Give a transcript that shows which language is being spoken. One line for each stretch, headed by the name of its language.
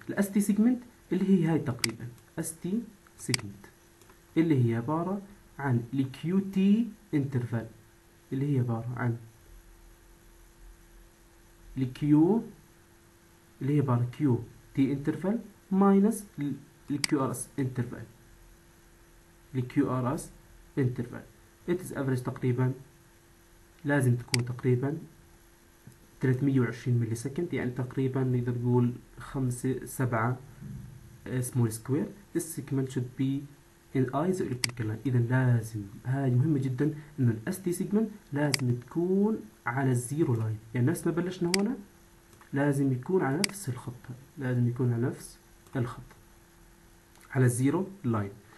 Arabic: الاس تي سيجمنت اللي هي هاي تقريبا، اس تي سيجمنت اللي هي عبارة عن الكيو تي انترفال، اللي هي عبارة عن الكيو، اللي هي عبارة كيو تي انترفال ماينس الكيو ار اس انترفال. الكيو ار اس انترفال اتس افريج تقريبا لازم تكون تقريبا 320 ملي سكند، يعني تقريبا نقدر نقول 5 7 سمول سكوير.
English: This segment should be in isoelectrical line.
Arabic: إذا لازم، هاي مهمة جدا، إنه الـ ST segment لازم تكون على الزيرو لاين، يعني نفس ما بلشنا هنا لازم يكون على نفس الخط، لازم يكون على نفس الخط على الزيرو لاين.